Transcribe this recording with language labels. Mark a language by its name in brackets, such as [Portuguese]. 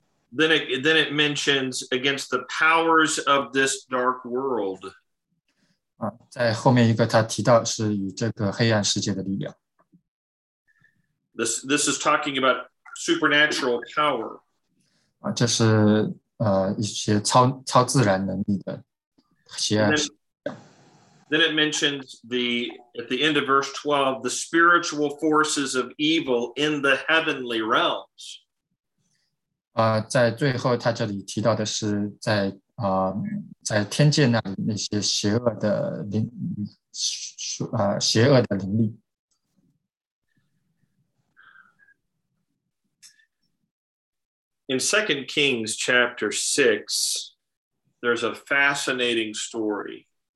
[English] Then it mentions against the powers of this dark world. [Chinese] 在后面一个他提到是与这个黑暗世界的力量。 [English] This is talking about supernatural power. [Chinese] 这是一些超自然能力的邪恶世界。 [English] Then it mentions at the end of verse 12, the spiritual forces of evil in the heavenly realms. [Chinese] 在最后他这里提到的是在天界那里那些邪恶的灵力。 [English] In 2 Kings chapter 6, there's a fascinating story.